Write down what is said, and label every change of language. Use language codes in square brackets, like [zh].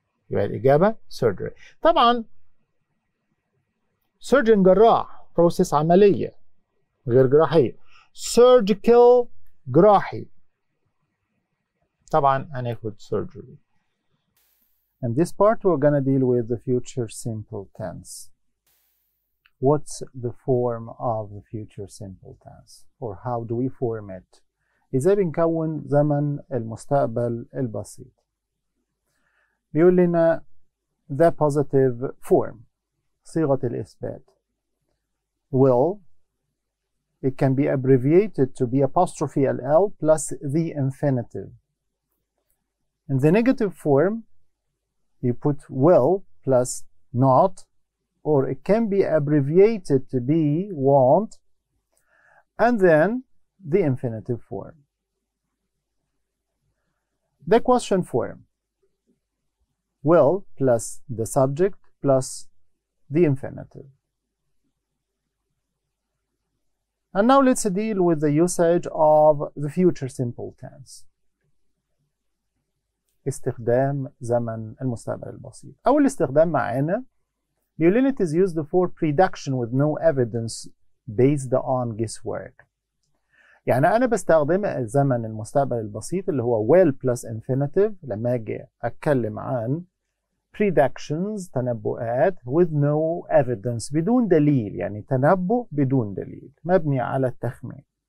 [ar] يبقى الإجابة surgery. طبعا surgeon جراح، process عملية غير جراحية. surgical جراحي، طبعا هناخد surgery. [en] In this part we're gonna deal with the future simple tense. What's the form of the future simple tense? Or how do we form it? [ar] إزاي بنكون زمن المستقبل البسيط؟ بيقول لنا [en] the positive form، [ar] صيغة الإثبات. [en] Will، it can be abbreviated to be apostrophe ll plus the infinitive. In the negative form, you put will plus not. Or it can be abbreviated to be won't and then the infinitive form. The question form. Will plus the subject plus the infinitive. And now let's deal with the usage of the future simple tense. [ar] استخدام زمن المستقبل البسيط. أول استخدام معانا بيقول لنا [en] it is used for prediction with no evidence based on guesswork. [ar] يعني أنا بستخدم الزمن المستقبل البسيط اللي هو will plus infinitive لما أجي أتكلم عن predictions، تنبؤات، [en] with no evidence، [ar] بدون دليل، يعني تنبؤ بدون دليل مبني على التخمين.